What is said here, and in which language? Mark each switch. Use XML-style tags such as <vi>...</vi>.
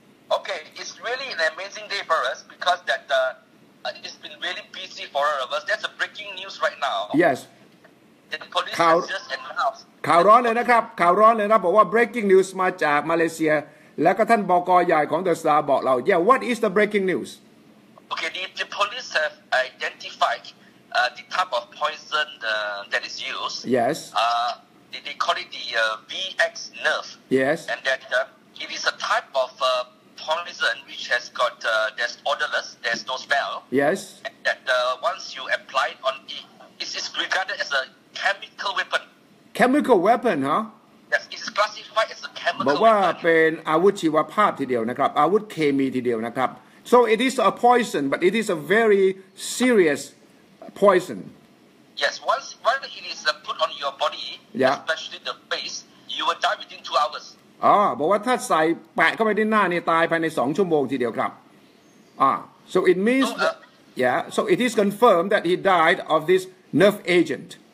<en>Okay, it's really an amazing day for us because that it's been really busy for all of us. That's a breaking news right now. Yes. The police has just announced.</en> <th>ข่าวร้อนเลยนะครับข่าวร้อนเลยนะบอกว่า breaking news มาจากมาเลเซียแล้วก็ท่านบก. ใหญ่ของ The Star บอกเรา</th> <en>Yeah, what is the breaking news? Okay, the police have identifiedthe type of poison that is used. Yes. They call it the VX nerve. Yes. And that it is a type of poison which has got, there's odorless, there's no smell. Yes. That once you apply it on it, it's regarded as a chemical weapon. Chemical weapon, huh? Yes, it's classified as a chemical weapon.</en> <th>บอกว่าเป็นอาวุธชีวภาพทีเดียวนะครับอาวุธเคมีทีเดียวนะครับ</th> <en>So it is a poison, but it is a very serious poison. Yes, once it is put on your body, yeah. especially the face, you will die within 2 hours.</en> <th>Ah, บอกว่าถ้าใส่แปะเข้าไปในหน้าเนี่ยตายภายใน2ชั่วโมงทีเดียวครับ</th> <en>so it means, so it is confirmed that he died of this nerve agent.</en>